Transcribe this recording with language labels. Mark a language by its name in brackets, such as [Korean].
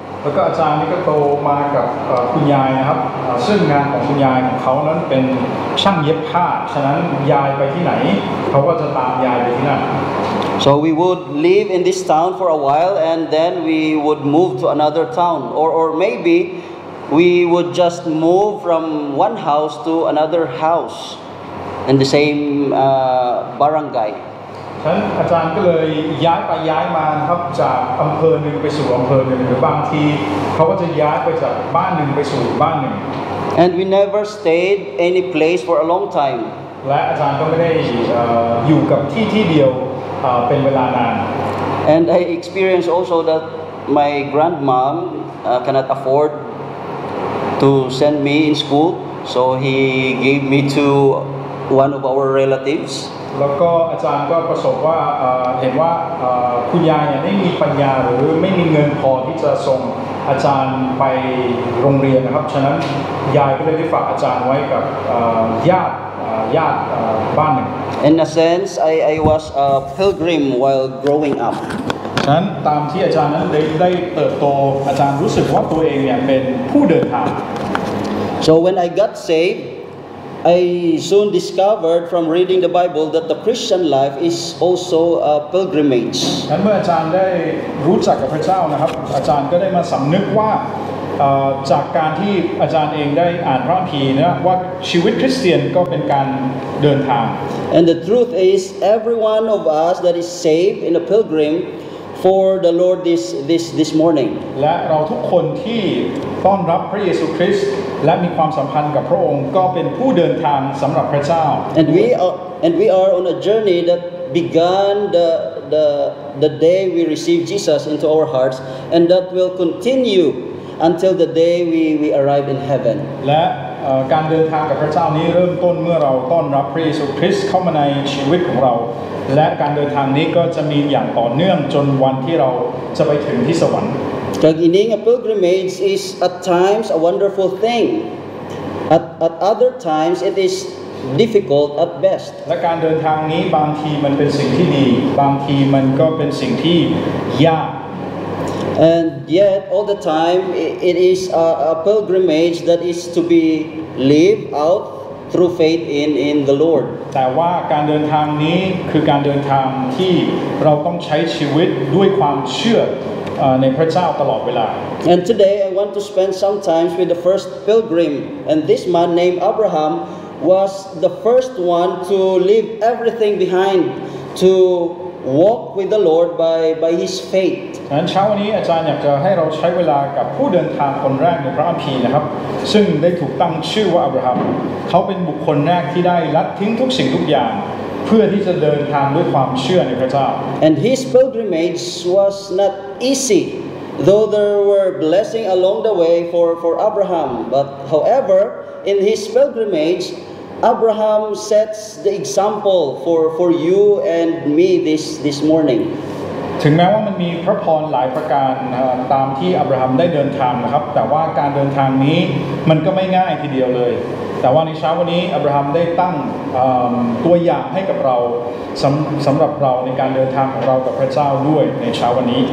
[Thai] แล้วก็อาจารย์นี่ก็โตมากับคุณยายนะครับซึ่งงานของคุณยายของเขานั้นเป็นช่างเย็บผ้าฉะนั้นยายไปที่ไหนเขาก็จะตามยายไปที่นั่น [English] so we would live in this town for a while and then we would move to another town or maybe we would just move from one house to another house in the same barangay [Thai] ฉะนั้นอาจารย์ก็เลยย้ายไปย้ายมาครับจากอำเภอหนึ่งไปสู่อำเภอหนึ่งหรือบางทีเขาก็จะย้ายไปจากบ้านหนึ่งไปสู่บ้านหนึ่ง [English] and we never stayed any place for a long time [Thai] และอาจารย์ก็ไม่ได้อยู่กับที่ที่เดียวเป็นเวลานาน [English] and I experienced also that my grandmom cannot afford to send me in school so he gave me to one of our relatives [Thai] แล้วก็อาจารย์ก็ประสบว่าเห็นว่าคุณยายเนี่ยไม่มีปัญญาหรือไม่มีเงินพอที่จะส่งอาจารย์ไปโรงเรียนนะครับฉะนั้นยายก็เลยได้ฝากอาจารย์ไว้กับญาติบ้านหนึ่ง [English] In a sense I was a pilgrim while growing up [Thai] ฉะนั้นตามที่อาจารย์นั้นได้เติบโตอาจารย์รู้สึกว่าตัวเองเนี่ยเป็นผู้เดินทาง [English] So when I got savedI soon discovered from reading the Bible that the Christian life is also a pilgrimage. [Thai] เมื่ออาจารย์ได้รู้จักกับพระเจ้านะครับอาจารย์ก็ได้มาสำนึกว่าจากการที่อาจารย์เองได้อ่านพระคัมภีร์นะว่าชีวิตคริสเตียนก็เป็นการเดินทาง [English] And the truth is every one of us that is saved in a pilgrim for the Lord this morning. [Thai] และเราทุกคนที่ต้อนรับพระเยซูคริสต์และมีความสัมพันธ์กับพระองค์ก็เป็นผู้เดินทางสำหรับพระเจ้า [English] and we are on a journey that began the day we received Jesus into our hearts and that will continue until the day we arrive in heaven [Thai] และการเดินทางกับพระเจ้านี้เริ่มต้นเมื่อเราต้อนรับพระเยซูคริสต์เข้ามาในชีวิตของเราและการเดินทางนี้ก็จะมีอย่างต่อเนื่องจนวันที่เราจะไปถึงที่สวรรค์ [English] Beginning a pilgrimage is at times a wonderful thing. At other times it is difficult at best. [Thai] และการเดินทางนี้บางทีมันเป็นสิ่งที่ดีบางทีมันก็เป็นสิ่งที่ยาก [English] And yet all the time it is a pilgrimage that is to be lived out through faith in the Lord. [Thai] แต่ว่าการเดินทางนี้คือการเดินทางที่เราต้องใช้ชีวิตด้วยความเชื่อในพระเจ้าตลอดเวลา [English] And today I want to spend some time with the first pilgrim and this man named Abraham was the first one to leave everything behind to walk with the Lord by his faith [Thai] เช้าวันนี้อาจารย์อยากจะให้เราใช้เวลากับผู้เดินทางคนแรกในพระคัมภีร์นะครับซึ่งได้ถูกตั้งชื่อว่าอับราฮัมเขาเป็นบุคคลแรกที่ได้ละทิ้งทุกสิ่งทุกอย่างเพื่อที่จะเดินทางด้วยความเชื่อในพระเจ้า [English] And his pilgrimage was not easy though there were blessings along the way for Abraham but however in his pilgrimage Abraham sets the example for you and me this morning [Thai] ถึงแม้ว่ามันมีพระพรหลายประการตามที่อับราฮัมได้เดินทางนะครับแต่ว่าการเดินทางนี้มันก็ไม่ง่ายทีเดียวเลยแต่ว่าในเช้าวันนี้อับราฮัมได้ตั้งตัวอย่างให้กับเราสำหรับเราในการเดินทางของเรากับพระเจ้าด้วยในเช้าวันนี